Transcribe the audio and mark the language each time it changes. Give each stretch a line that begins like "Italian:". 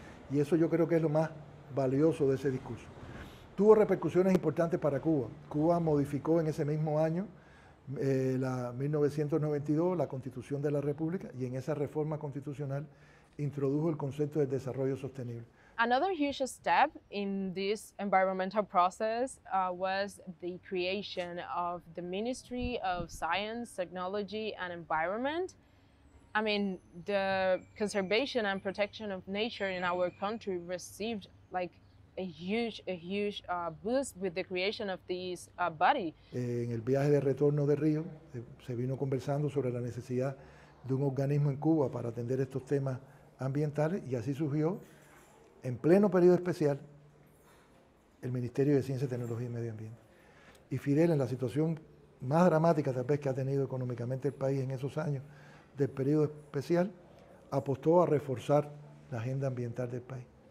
Spanish: Y eso yo creo que es lo más valioso de ese discurso. Tuvo repercusiones importantes para Cuba. Cuba modificó en ese mismo año, la 1992, la Constitución de la República, y en esa reforma constitucional introdujo el concepto del desarrollo sostenible.
English: Another huge step in this environmental process was the creation of the Ministry of Science, Technology and Environment. I mean, the conservation and protection of nature in our country received like a huge boost with the creation of this body.
Spanish: En el viaje de retorno de Río, se vino conversando sobre la necesidad de un organismo en Cuba para atender estos temas ambientales y así surgió en pleno periodo especial, el Ministerio de Ciencia, Tecnología y Medio Ambiente. Y Fidel, en la situación más dramática tal vez que ha tenido económicamente el país en esos años del periodo especial, apostó a reforzar la agenda ambiental del país.